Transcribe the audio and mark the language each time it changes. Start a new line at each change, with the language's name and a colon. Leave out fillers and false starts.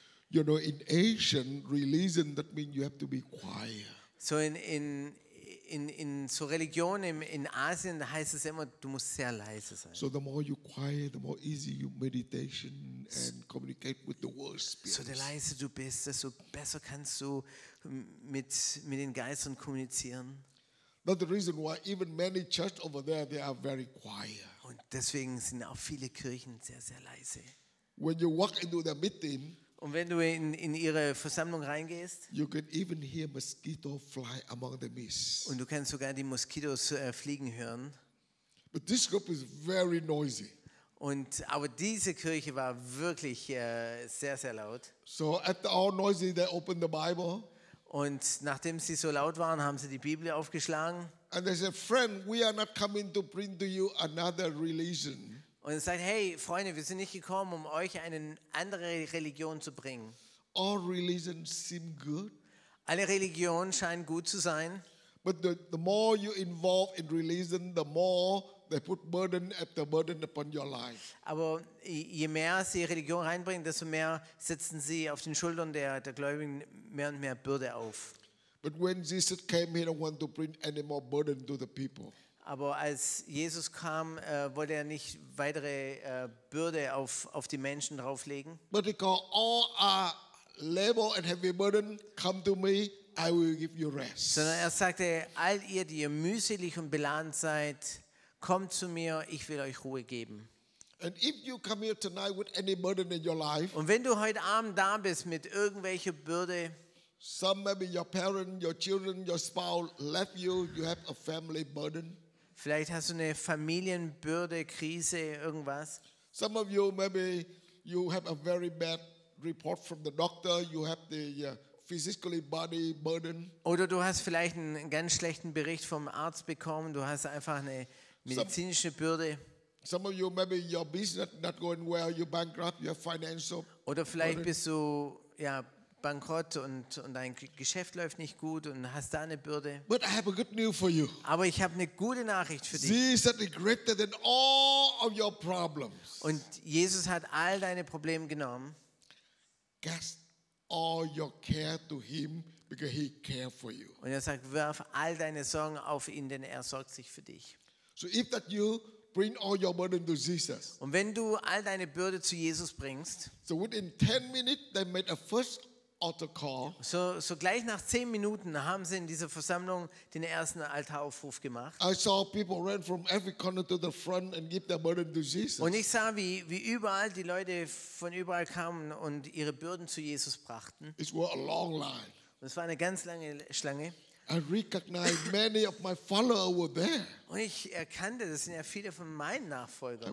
English: You know, in Asian religion, that means you have to be quiet.
German: So in so Religion in Asien heißt es immer, du musst sehr leise sein.
English: So the more you quiet, the more easy you meditation and communicate with the world spirits.
German: So der leise du bist, desto besser kannst du mit den Geistern kommunizieren.
English: That's the reason why even many churches over there, they are very quiet.
German: Und deswegen sind auch viele Kirchen sehr, sehr leise.
English: When you walk into the meeting,
German: Und wenn du in ihre Versammlung reingehst,
English: you can even hear mosquito fly among the mist.
German: Und du kannst sogar die Moskitos fliegen hören.
English: But this group is very noisy.
German: Und aber diese Kirche war wirklich sehr sehr laut.
English: So after all noisy, they opened the Bible.
German: Und nachdem sie so laut waren, haben sie die Bibel aufgeschlagen.
English: And they said, "Friend, we are not coming to bring to you another religion."
German: Und er sagt, hey Freunde, wir sind nicht gekommen, um euch eine andere Religion zu bringen.
English: All religions seem good.
German: Alle Religionen scheinen gut zu sein.
English: But the more you involve in religion, the more they put burden after burden upon your life.
German: Aber je mehr sie Religion reinbringen, desto mehr setzen sie auf den Schultern der Gläubigen mehr und mehr Bürde auf.
English: But when Jesus came, he didn't want to bring any more burden to the people.
German: Aber als Jesus kam, wollte er nicht weitere Bürde auf die Menschen drauflegen.
English: But he called, all our labor and heavy burden, come to me, I will give you rest.
German: Sondern er sagte, all ihr, die ihr mühselig und beladen seid, kommt zu mir, ich will euch Ruhe geben.
English: And if you come here tonight with any burden in your life,
German: und wenn du heute Abend da bist mit irgendwelcher Bürde,
English: some maybe your parent, your children, your spouse left you, you have a family burden.
German: Vielleicht hast du eine Familienbürde, Krise, irgendwas.
English: Some of you maybe you have a very bad report from the doctor. You have the physically body burden.
German: Oder du hast vielleicht einen ganz schlechten Bericht vom Arzt bekommen. Du hast einfach eine medizinische Bürde.
English: Some of you maybe your business not going well. You bankrupt. You have financial.
German: Oder vielleicht burden. Bist du ja bankrott und dein Geschäft läuft nicht gut und hast da eine Bürde.
English: But I have a good news for you.
German: Aber ich habe eine gute Nachricht für dich.
English: Jesus is greater than all of your problems.
German: Und Jesus hat all deine Probleme genommen.
English: Cast all your care to him because he cares for you.
German: Und er sagt, wirf all deine Sorgen auf ihn, denn er sorgt sich für dich.
English: So if that you bring all your burden to Jesus.
German: Und wenn du all deine Bürde zu Jesus bringst.
English: So within 10 minutes they made a first altar call.
German: So gleich nach 10 Minuten haben sie in dieser Versammlung den ersten Altaraufruf gemacht.
English: I saw people ran from every corner to the front and give their burden to Jesus.
German: Und ich sah, wie überall die Leute von überall kamen und ihre Bürden zu Jesus brachten.
English: It was a long line.
German: Und es war eine ganz lange Schlange.
English: I recognized many of my followers were there.
German: Und ich erkannte, das sind ja viele von meinen Nachfolgern.